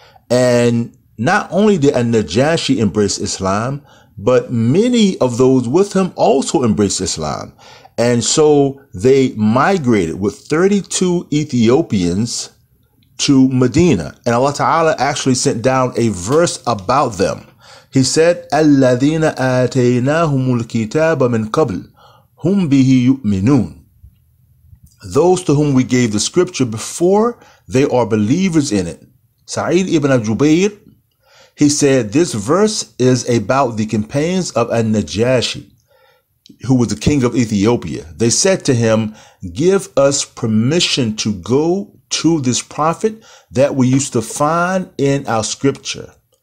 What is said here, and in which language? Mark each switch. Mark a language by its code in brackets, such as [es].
[en] And not only did An-Najashi embrace Islam, but many of those with him also embraced Islam. And so they migrated with 32 Ethiopians to Medina. And Allah Ta'ala actually sent down a verse about them. He said, [ar] الَّذِينَ آتَيْنَاهُمُ الْكِتَابَ مِنْ قَبْلِ هُمْ بِهِ يُؤْمِنُونَ. [en] Those to whom we gave the scripture before, they are believers in it. Sa'id ibn Jubayr, he said, this verse is about the companions of An-Najashi, who was the king of Ethiopia. They said to him, give us permission to go to this prophet that we used to find in our scripture.